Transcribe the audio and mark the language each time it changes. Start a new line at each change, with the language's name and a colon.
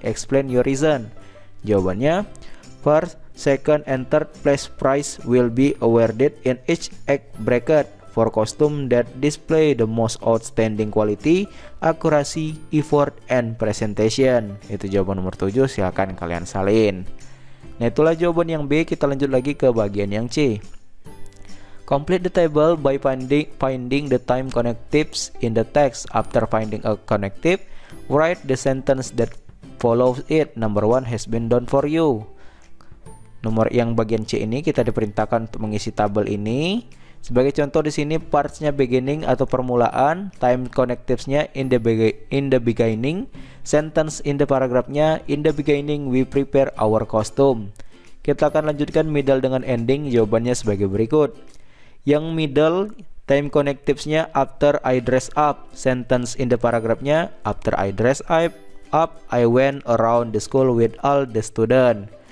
English: Explain your reason.
Indonesian: Jawabannya,
English: first, second, and third place prize will be awarded in each act bracket. For costume that display the most outstanding quality, accuracy, effort, and presentation.
Indonesian: Itu jawaban nomor 7, silakan kalian salin. Nah itulah jawaban yang B, kita lanjut lagi ke bagian yang C.
English: Complete the table by finding the time connectives in the text. After finding a connective, write the sentence that follows it. Number 1 has been done for you.
Indonesian: Nomor yang bagian C ini kita diperintahkan untuk mengisi tabel ini. Sebagai contoh di sini partsnya beginning atau permulaan, time connectivesnya
English: in the beginning, sentence in the paragraphnya in the beginning we prepare our costume.
Indonesian: Kita akan lanjutkan middle dengan ending, jawabannya sebagai berikut. Yang middle time connectivesnya
English: after I dress up, sentence in the paragraphnya after I dress up I went around the school with all the student.